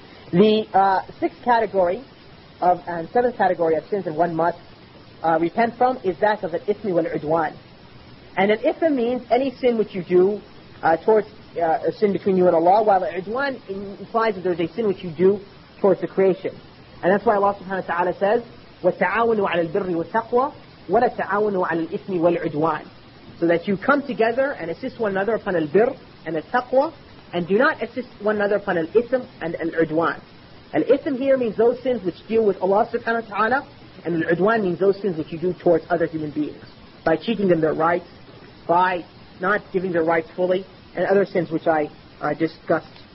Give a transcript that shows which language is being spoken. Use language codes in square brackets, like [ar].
[en] The sixth category of and seventh category of sins that one must repent from is that of an ithmi wal udwan. And an ithmi means any sin which you do towards a sin between you and Allah, while Ijwan implies that there's a sin which you do towards the creation. And that's why Allah subhanahu wa ta'ala says, [ar] وَتَعَاوَنُوا عَلَى الْبِرِّ وَالتَّقْوَى وَلَا تَعَاوَنُوا عَلَى الْإِثْمِ وَالْعُدْوَانِ. [en] So that you come together and assist one another upon al-birr and al-taqwa, and do not assist one another upon al-ithm and al-udwan. Al-ithm here means those sins which deal with Allah [ar] subhanahu wa ta'ala, [en] and al-udwan means those sins which you do towards other human beings, by cheating them their rights, by not giving their rights fully, and other sins which I discussed.